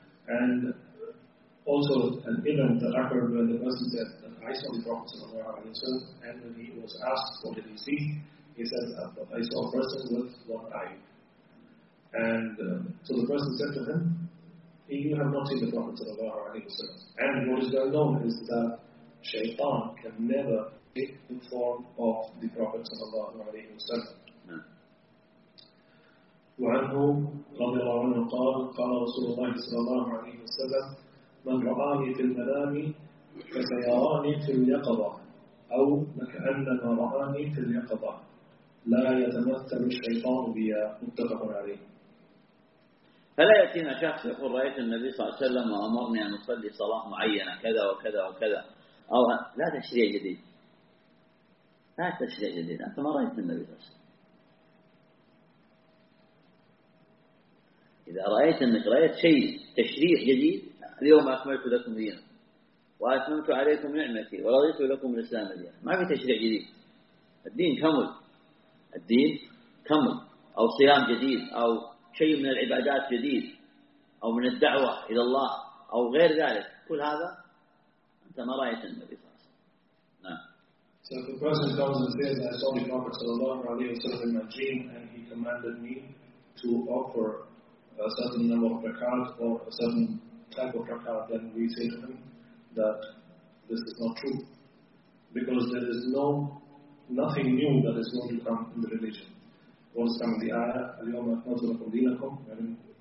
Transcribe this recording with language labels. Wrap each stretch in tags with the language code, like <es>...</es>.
<en>And also an event that occurred when the person said that I saw the Prophet sallallahu alaihi wasallam, and when he was asked what did he see, he said I saw a person with one eye. And so the person said to him, you have not seen the Prophet sallallahu alaihi wasallam. And what is well known is that shaitan can never take the form of the Prophet sallallahu alaihi wasallam.</en> <ar>وعنه رضي الله عنه قال قال رسول الله صلى الله عليه وسلم من رآني في المنام فسيراني في اليقظة أو كأنما رآني في اليقظة لا يتمثل الشيطان بي متفق عليه فلا يأتينا شخص يقول رأيت النبي صلى الله عليه وسلم وأمرني أن أصلي صلاة معينة كذا وكذا وكذا أو لا تشريع جديد لا تشريع جديد أنت ما رأيت النبي صلى الله عليه وسلم إذا رأيت أنك رأيت شيء تشريع جديد اليوم أكملت لكم دينا وأتممت عليكم نعمتي ورضيت لكم الإسلام دينا ما في تشريع جديد الدين كمل الدين كمل أو صيام جديد أو شيء من العبادات جديد أو من الدعوة إلى الله أو غير ذلك كل هذا أنت ما رأيت النبي صلى الله عليه وسلم</ar> <en>So if a person comes and says I saw the Prophet</en> <ar>صلى الله عليه وسلم</ar> <en>in my dream and he commanded me to offer a certain number of rakat or a certain type of rakat then we say to him that this is not true because there is nothing new that is going to come in the religion was coming the ayah</en> <ar>اليوم أكمل لكم دينكم</ar> <en>and</en>